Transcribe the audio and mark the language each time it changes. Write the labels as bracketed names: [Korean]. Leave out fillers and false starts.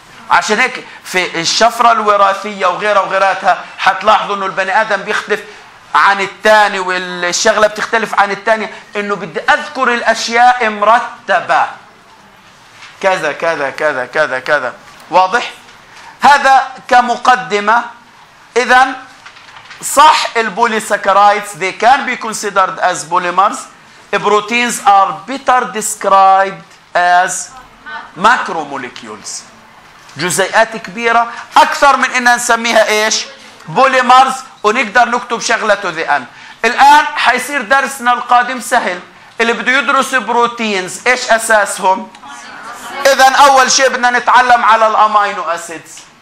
[Arabic] عشان هيك في الشفره الوراثيه وغيرها وغيراتها حتلاحظوا انه البني ادم بيختلف عن الثاني، والشغله بتختلف عن الثانيه، انه بدي اذكر الاشياء مرتبه كذا كذا كذا كذا كذا. واضح؟ هذا كمقدمه. اذا صح [English] البوليساكرايدز they can be considered as polymers. Proteins are better described as macromolecules. [Arabic] جزيئات كبيرة أكثر من إننا نسميها إيش؟ بوليمرز. ونقدر نكتب شغلة [English] to the end. [Arabic] الآن حيصير درسنا القادم سهل. اللي بده يدرس بروتينز إيش أساسهم؟ إذن أول شيء بدنا نتعلم على الأمينو أسيدز.